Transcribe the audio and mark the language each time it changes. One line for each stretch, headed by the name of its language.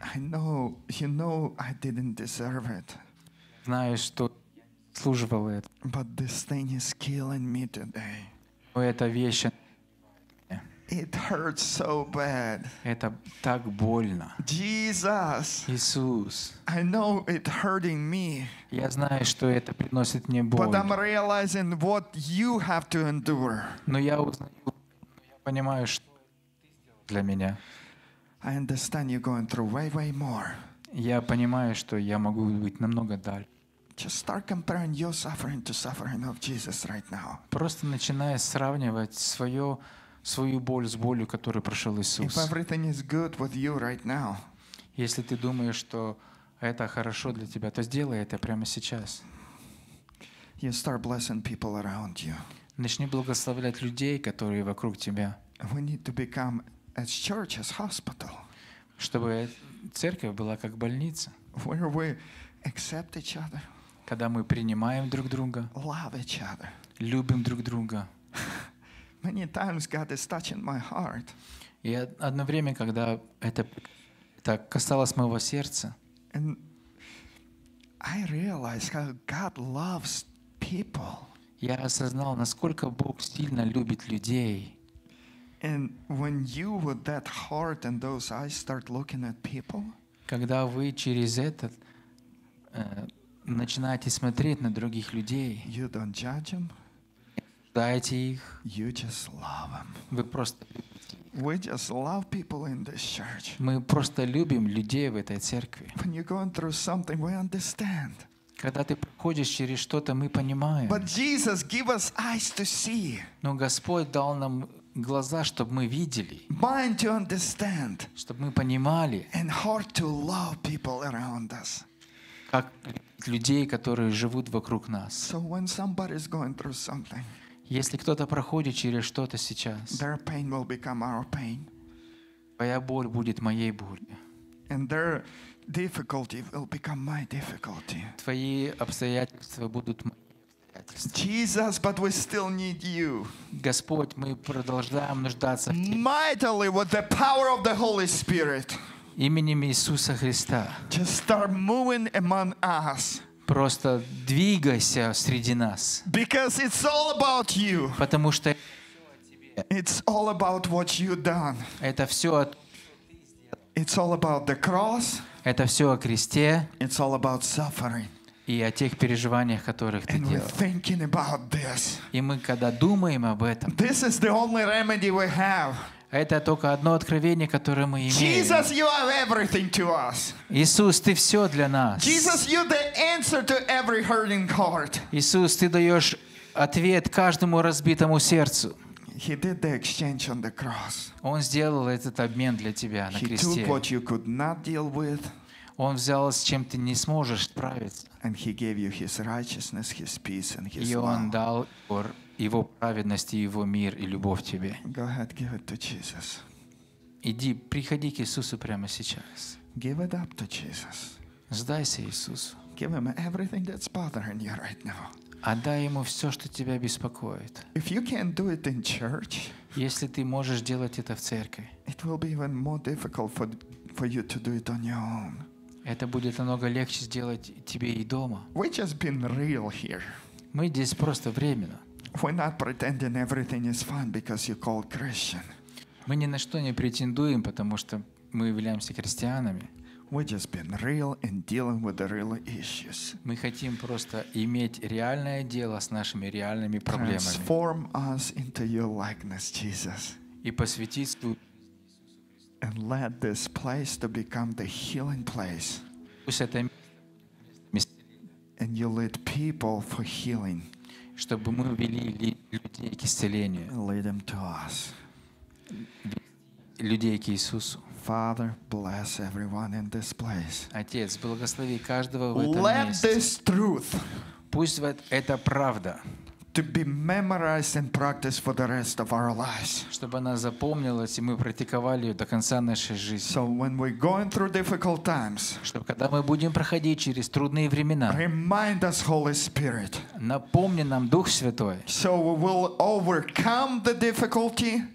English: I know, you know, I didn't deserve it.
Russian: Знаю, что заслуживал это.
English: But this thing is killing me today.
Russian: Но эта вещь.
English: It hurts so bad.
Russian: Это так больно.
English: Jesus.
Russian: Иисус.
English: I know it hurting me.
Russian: Я знаю, что это приносит мне боль.
English: But I'm realizing what you have to endure.
Russian: Но я узнаю, я понимаю, что для меня.
English: I understand you're going through way, way more.
Russian: Я понимаю, что я могу быть намного дальше.
English: Just start comparing your suffering to suffering of Jesus right now.
Russian: Просто начиная сравнивать свою боль с болью, которую прошел Иисус.
English: If everything is good with you right now.
Russian: Если ты думаешь, что это хорошо для тебя, то сделай это прямо сейчас.
English: You start blessing people around you.
Russian: Начни благословлять людей, которые вокруг тебя.
English: We need to become as church, as hospital.
Russian: Чтобы церковь была как больница.
English: Where we accept each other.
Russian: Когда мы принимаем друг друга.
English: Love each other.
Russian: Любим друг друга.
English: Many times God is touching my heart.
Russian: И одно время, когда это так касалось моего сердца.
English: And I realized how God loves people.
Russian: Я осознал, насколько Бог сильно любит людей.
English: And when you with that heart and those eyes start looking at people,
Russian: когда вы через этот начинаете смотреть на других людей,
English: you don't judge them,
Russian: дайте их,
English: you just love them.
Russian: Вы просто,
English: we just love people in this church.
Russian: Мы просто любим людей в этой церкви.
English: When you're going through something, we understand.
Russian: Когда ты проходишь через что-то, мы понимаем.
English: But Jesus gave us eyes to see.
Russian: Но Господь дал нам глаза, чтобы мы видели.
English: Mind to understand.
Russian: Чтобы мы понимали.
English: And heart to love people around us.
Russian: Как людей, которые живут вокруг нас.
English: So when somebody is going through something.
Russian: Если кто-то проходит через что-то сейчас,
English: their pain will become our pain.
Russian: Твоя боль будет моей болью.
English: And their difficulty will become my difficulty.
Russian: Твои обстоятельства будут мои обстоятельства.
English: Jesus, but we still need you.
Russian: Господь, мы продолжаем нуждаться в Тебе.
English: Mightily with the power of the Holy Spirit.
Russian: Именем Иисуса Христа.
English: Just start moving among us.
Russian: Просто двигайся среди нас.
English: Because it's all about you.
Russian: Потому что
English: it's all about what you done.
Russian: Это все о
English: it's all about the cross.
Russian: Это все о кресте.
English: It's all about suffering.
Russian: И о тех переживаниях, которых ты
English: and
Russian: делал.
English: We're thinking about this.
Russian: И мы когда думаем об этом.
English: This is the only remedy we have.
Russian: Это только одно откровение, которое мы имеем.
English: Jesus, you are everything to us.
Russian: Иисус, ты все для нас.
English: Jesus, you the answer to every hurting heart.
Russian: Иисус, ты даешь ответ каждому разбитому сердцу.
English: He did the exchange on the cross.
Russian: Он сделал этот обмен для тебя на
English: He
Russian: кресте.
English: Took what you could not deal with.
Russian: Он взял, с чем ты не сможешь справиться.
English: And he gave you his righteousness, his peace, and his
Russian: и
English: love.
Russian: Он дал Его праведность и Его мир и любовь тебе.
English: Go ahead, give it to Jesus.
Russian: Иди, приходи к Иисусу прямо сейчас.
English: Give it up to Jesus.
Russian: Сдайся Иисусу.
English: Give him everything that's bothering you right now.
Russian: Отдай Ему все, что тебя беспокоит.
English: If you can do it in church,
Russian: если ты можешь делать это в церкви,
English: it will be even more difficult for you to do it on your own.
Russian: Это будет намного легче сделать тебе и дома.
English: We've just been real here.
Russian: Мы здесь просто временно.
English: We're not pretending everything is fine because you're called Christian.
Russian: Мы ни на что не претендуем, потому что мы являемся христианами.
English: We've just been real and dealing with the real issues.
Russian: Мы хотим просто иметь реальное дело с нашими реальными проблемами.
English: Transform us into your likeness, Jesus.
Russian: И посвятить свою
English: and let this place to become the healing place.
Russian: Пусть это
English: and you lead people for healing.
Russian: Чтобы мы вели людей к исцелению.
English: Lead them to us.
Russian: Людей к Иисусу.
English: Father, bless everyone in this place.
Russian: Отец, благослови каждого в этом
English: Let
Russian: месте.
English: Let this truth.
Russian: Пусть вот эта правда.
English: To be memorized and practiced for the rest of our lives.
Russian: Чтобы она запомнилась и мы практиковали ее до конца нашей жизни.
English: So when we're going through difficult times.
Russian: Чтобы когда мы будем проходить через трудные времена.
English: Remind us, Holy Spirit.
Russian: Напомни нам Дух Святой.
English: So we will overcome the difficulty.